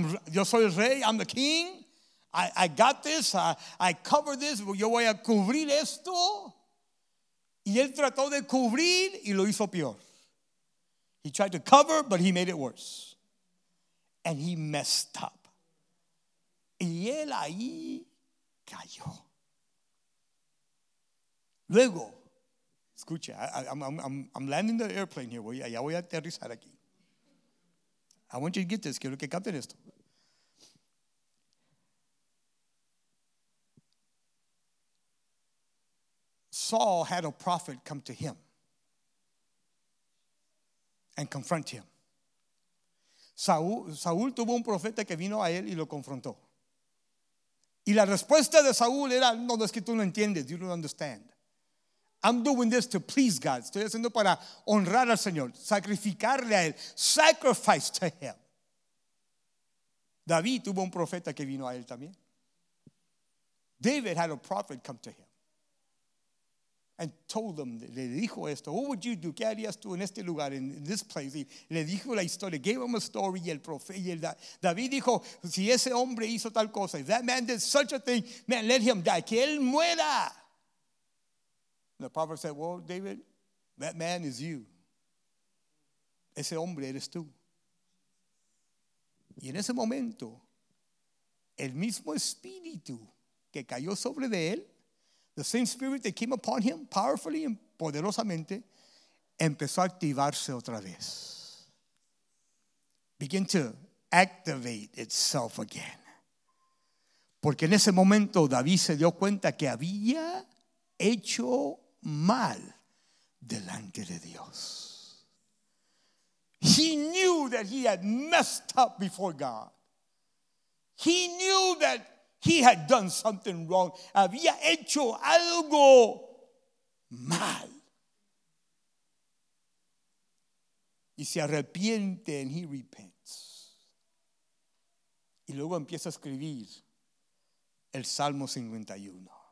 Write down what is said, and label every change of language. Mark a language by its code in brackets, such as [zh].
[es] Yo soy el rey, [en] I'm the king. I got this, I cover this, [es] yo voy a cubrir esto. Y él trató de cubrir y lo hizo peor. [en] He tried to cover, but he made it worse. And he messed up. [es] Y él ahí cayó. Luego, escucha, [en] I'm landing the airplane here. [es] Ya voy a aterrizar aquí. [en] I want you to get this. [es] Quiero que capten esto. [en] Saul had a prophet come to him and confront him. [es] Saúl tuvo un profeta que vino a él y lo confrontó. Y la respuesta de Saúl era, no, es que tú no entiendes. [en] You don't understand. I'm doing this to please God. [es] Estoy haciendo para honrar al Señor. Sacrificarle a él. [en] Sacrifice to him. [es] David tuvo un profeta que vino a él también. [en] David had a prophet come to him. And told him, [es] le dijo esto. [en] What would you do? [es] ¿Qué harías tú en este lugar, [en] in this place? [es] Y le dijo la historia. [en] Gave him a story. [es] Y el profeta, y el David dijo, si ese hombre hizo tal cosa. [en] If that man did such a thing, man, let him die. [es] Que él muera. [en] And the prophet said, well, David, that man is you. [es] Ese hombre eres tú. Y en ese momento, el mismo espíritu que cayó sobre de él, [en] the same spirit that came upon him powerfully and [es] poderosamente, empezó a activarse otra vez. [en] Begin to activate itself again. [es] Porque en ese momento, David se dio cuenta que había hecho mal delante de Dios. [en] He knew that he had messed up before God. He knew that he had done something wrong. [es] Había hecho algo mal. Y se arrepiente, [en] and he repents. [es] Y luego empieza a escribir el Salmo 51.